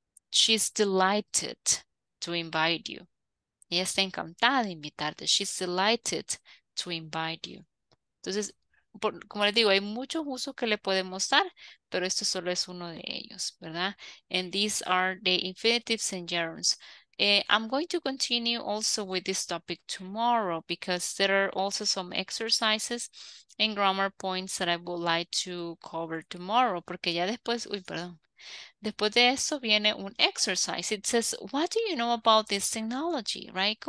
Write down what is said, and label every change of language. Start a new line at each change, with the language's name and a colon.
English: She's delighted to invite you.
Spanish: Ella está encantada de invitarte.
English: She's delighted to invite you.
Spanish: Entonces, como les digo, hay muchos usos que le podemos dar, pero esto solo es uno de ellos, ¿verdad?
English: And these are the infinitives and gerunds. I'm going to continue also with this topic tomorrow because there are also some exercises and grammar points that I would like to cover tomorrow.
Spanish: Porque ya después, después de eso viene un exercise.
English: It says, what do you know about this technology, right?